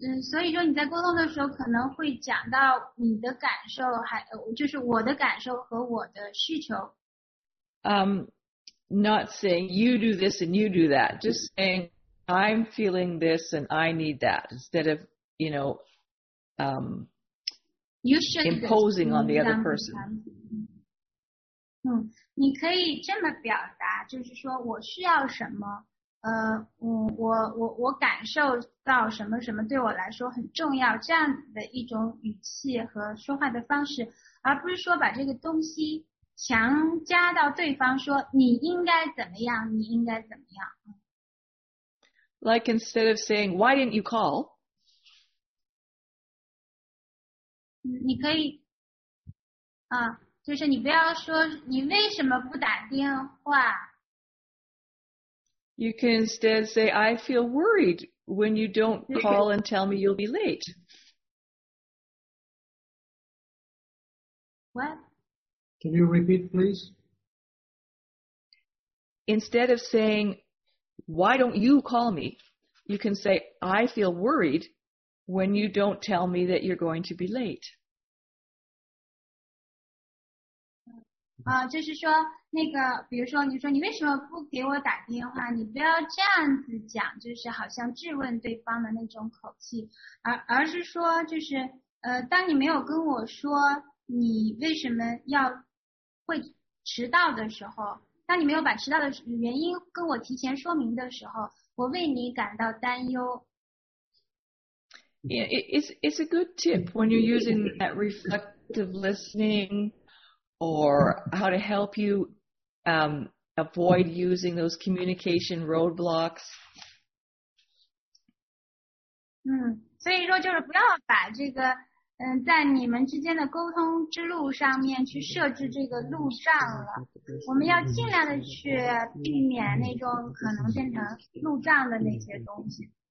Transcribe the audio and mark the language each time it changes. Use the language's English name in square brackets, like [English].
[Chinese] 所以说你在沟通的时候可能会讲到你的感受，还就是我的感受和我的需求。 [English] Not saying you do this and you do that, just saying I'm feeling this and I need that, instead of, you know, imposing on the other person. [Chinese] 你可以这么表达，就是说我需要什么，我感受到什么什么对我来说很重要，这样的一种语气和说话的方式，而不是说把这个东西强加到对方说你应该怎么样，你应该怎么样。 [English] Like instead of saying, why didn't you call? [Chinese] 你可以就是你不要说你为什么不打电话。 [English] You can instead say, I feel worried when you don't call and tell me you'll be late. What? Can you repeat, please? Instead of saying, why don't you call me? You can say, I feel worried when you don't tell me that you're going to be late. [Chinese] 就是说那个比如说你说你为什么不给我打电话，你不要这样子讲，就是好像质问对方的那种口气，而是说就是当你没有跟我说你为什么要会迟到的时候，当你没有把迟到的原因跟我提前说明的时候，我为你感到担忧。 [English] Yeah, it's a good tip when you're using that reflective listening or how to help you avoid using those communication roadblocks. [Chinese] 所以说就是不要把这个在你们之间的沟通之路上面去设置这个路障了，我们要尽量的去避免那种可能变成路障的那些东西。